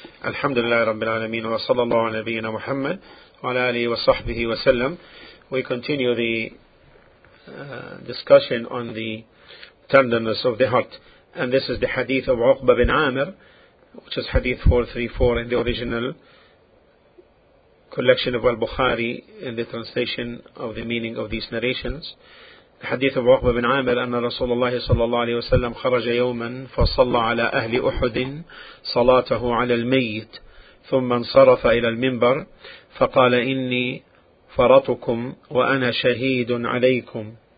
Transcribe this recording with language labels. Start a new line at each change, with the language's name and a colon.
Arabic: الحمد لله رب العالمين وصلى الله على نبينا محمد وعلى آله وصحبه وسلم.
English: We continue the discussion on the tenderness of the heart, and this is the hadith of Uqba bin Amir, which is hadith 434 in the original collection of Al-Bukhari in the translation of the meaning of these narrations.
Arabic: حديث أبو عقبة بن عامر أن رسول الله صلى الله عليه وسلم خرج يوما فصلى على أهل أحد صلاته على الميت ثم انصرف إلى المنبر فقال إني فرطكم وأنا شهيد عليكم